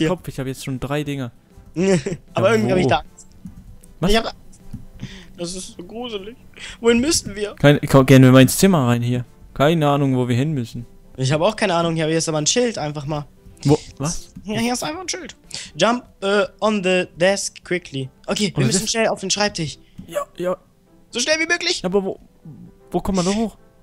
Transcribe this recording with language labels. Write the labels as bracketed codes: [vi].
[de] Meinen Kopf. Ich habe jetzt schon drei Dinger. Aber ja, irgendwie habe ich da Angst. Was? Ich hab, Das ist so gruselig. Wohin müssen wir? Gehen wir mal ins Zimmer rein hier. Keine Ahnung, wo wir hin müssen. Ich habe auch keine Ahnung. Hier ist aber ein Schild, einfach mal. Wo? Was? Ja, hier ist einfach ein Schild. [en] Jump on the desk quickly. [de] Okay, wir müssen schnell auf den Schreibtisch. Ja, ja. So schnell wie möglich. Aber wo kommt man da hoch?